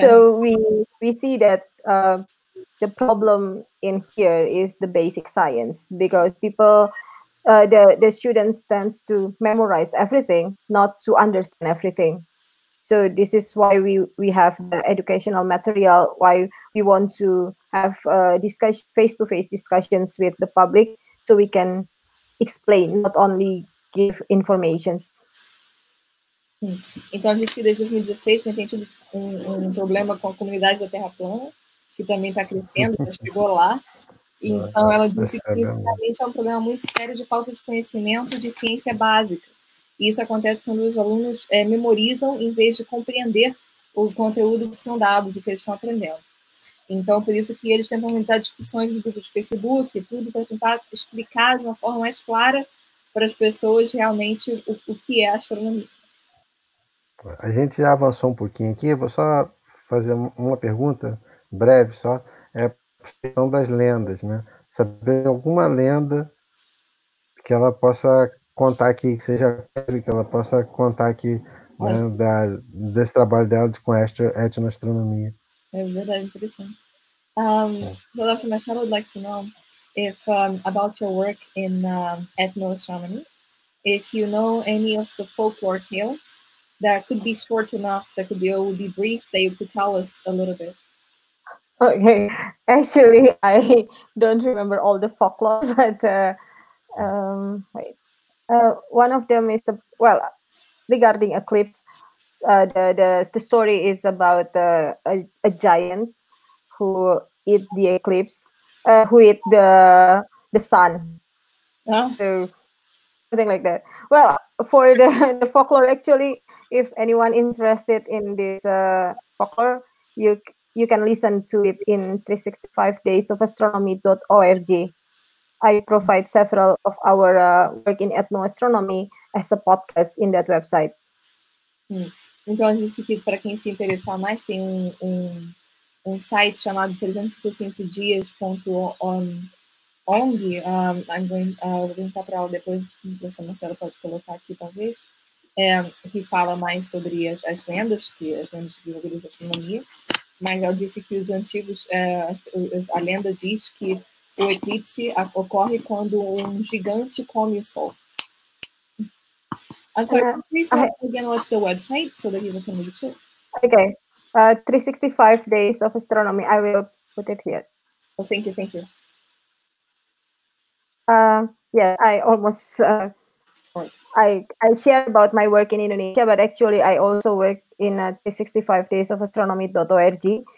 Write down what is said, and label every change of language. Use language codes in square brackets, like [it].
[en] So we see that the problem in here is the basic science, because people the students tends to memorize everything, not to understand everything. So this is why we have the educational material, why we want to have face-to-face discussions with the public, so we can explain, not only give information. [pt] Então, desde 2016, a gente tem tido um problema com a comunidade da Terra Plana, que também está crescendo, já chegou lá. Então, ela disse que realmente é um problema muito sério de falta de conhecimento de ciência básica. Isso acontece quando os alunos memorizam em vez de compreender o conteúdo que são dados, o que eles estão aprendendo. Então, por isso que eles tentam organizar discussões no grupo de Facebook, tudo para tentar explicar de uma forma mais clara para as pessoas realmente o que é a astronomia. A gente já avançou um pouquinho aqui, vou só fazer uma pergunta breve só. É a questão das lendas, né? Saber alguma lenda que ela possa contar aqui, que seja breve, que ela possa contar aqui, né, desse trabalho dela com etnoastronomia. É verdade, interessante. [en] So, Dr. Marcelo, I'd like to know if about your work in ethnoastronomy, if you know any of the folklore tales that could be short enough, that could be, or would be brief, that you could tell us a little bit. Okay, actually, I don't remember all the folklore, but one of them is regarding eclipse. The story is about a giant who eat the eclipse, who eat the sun. Huh? So something like that. Well, for the folklore, actually, if anyone interested in this folklore, you can listen to it in 365daysofastronomy.org. I provide several of our work in ethnoastronomy as a podcast in that website. Hmm. [pt] Então, eu disse que para quem se interessar mais, tem um site chamado 365dias.org. Vou perguntar para ela depois, a professora Marcela pode colocar aqui, talvez, que fala mais sobre as vendas, que as vendas de vendas de astronomia. Mas eu disse que os antigos, a lenda diz que o eclipse ocorre quando um gigante come o sol. [en] I'm sorry, please tell me again what's the website so that you can read it. Okay, 365 days of astronomy. I will put it here. Oh, thank you, thank you. I almost, I share about my work in Indonesia, but actually I also work in 365 days of astronomy.org.